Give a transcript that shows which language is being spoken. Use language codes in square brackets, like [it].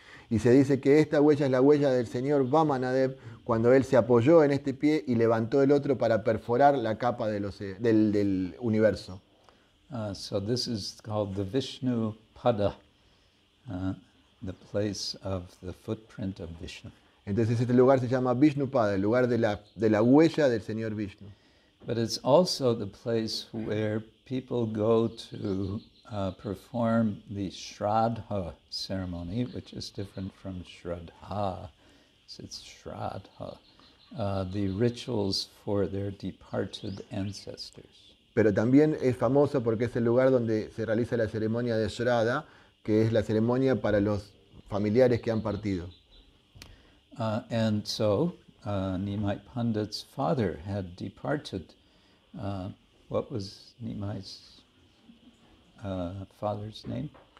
[es] Y se dice que esta huella es la huella del señor Vamanadev cuando él se apoyó en este pie y levantó el otro para perforar la capa del universo. [en] So this is called the Vishnu Pada, the place of the footprint of Vishnu. [es] Entonces este lugar se llama Vishnu Pada, el lugar de la huella del señor Vishnu. [en] But it's also the place where people go to perform the Shraddha ceremony, which is different from Shraddha. So it's Shraddha, the rituals for their departed ancestors. [es] Pero también es famoso porque es el lugar donde se realiza la ceremonia de Shraddha, que es la ceremonia para los familiares que han partido. [en] And so, Nimai Pandit's father had departed. What was Nimai's father's name?